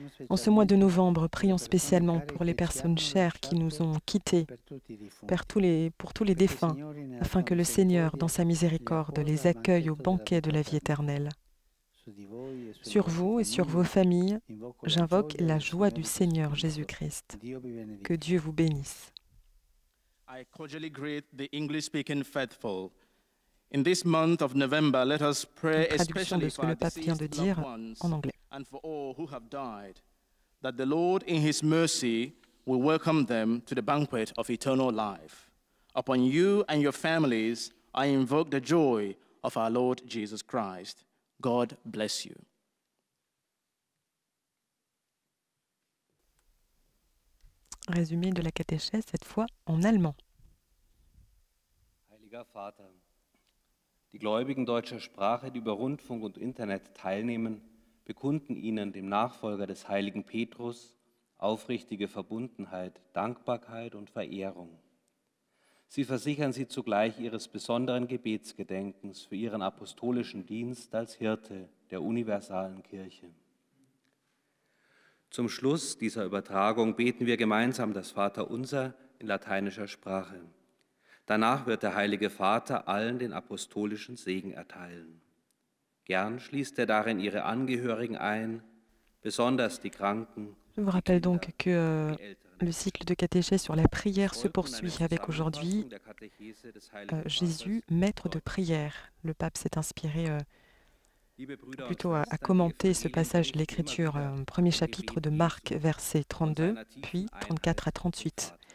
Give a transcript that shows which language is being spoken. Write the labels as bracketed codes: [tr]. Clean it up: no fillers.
[fr] En ce mois de novembre, prions spécialement pour les personnes chères qui nous ont quittés, pour tous les défunts, afin que le Seigneur, dans sa miséricorde, les accueille au banquet de la vie éternelle. Sur vous et sur vos familles, j'invoque la joie du Seigneur Jésus-Christ. Que Dieu vous bénisse. [en] I cordially greet the English-speaking faithful. In this month of November, let us pray especially for [fr] the pape vient de dire en anglais. [en] And for all who have died, that the Lord in his mercy will welcome them to the banquet of eternal life. Upon you and your families, I invoke the joy of our Lord Jesus Christ. God bless you. [fr] Résumé de la catéchèse, cette fois en allemand. [de] Heiliger Vater, die Gläubigen deutscher Sprache, die über Rundfunk und Internet teilnehmen, bekunden ihnen, dem Nachfolger des heiligen Petrus, aufrichtige Verbundenheit, Dankbarkeit und Verehrung. Sie versichern sie zugleich ihres besonderen Gebetsgedenkens für ihren apostolischen Dienst als Hirte der universalen Kirche. Zum Schluss dieser Übertragung beten wir gemeinsam das Vaterunser in lateinischer Sprache. Danach wird der Heilige Vater allen den apostolischen Segen erteilen. Gern schließt er darin ihre Angehörigen ein, besonders die Kranken. [fr] Je vous rappelle donc que le cycle de catéchèse sur la prière se poursuit avec aujourd'hui Jésus, maître de prière. Le pape s'est inspiré plutôt à commenter ce passage de l'Écriture, premier chapitre de Marc, versets 32, puis 34 à 38.